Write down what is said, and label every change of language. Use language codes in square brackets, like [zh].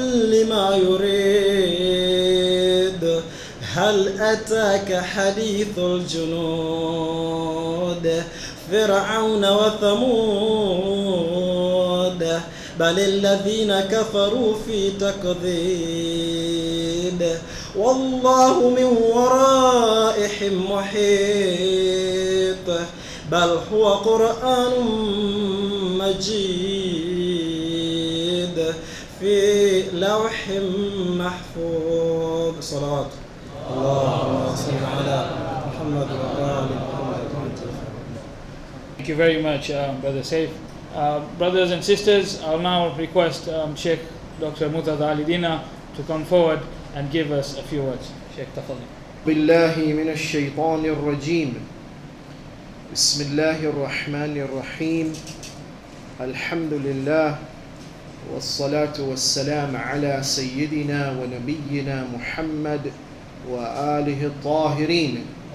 [ar] لما يريد هل أتاك حديث الجنود فرعون وثمود بل الذين كفروا في تكذيب والله من ورائهم محيط بل هو قرآن مجيد في لوح محفوظ صلاة اللهم صل على محمد وعلى آل محمد. [en] Thank you very much, Brother Saif. Brothers and sisters, I'll now request Sheikh Dr. Murtadha Ali Dina to come forward and give us a few words. Sheikh Tafadhal. [ar] بالله من الشيطان الرجيم بسم الله الرحمن الرحيم الحمد لله والصلاة والسلام على سيدنا ونبينا محمد وآله الطاهرين.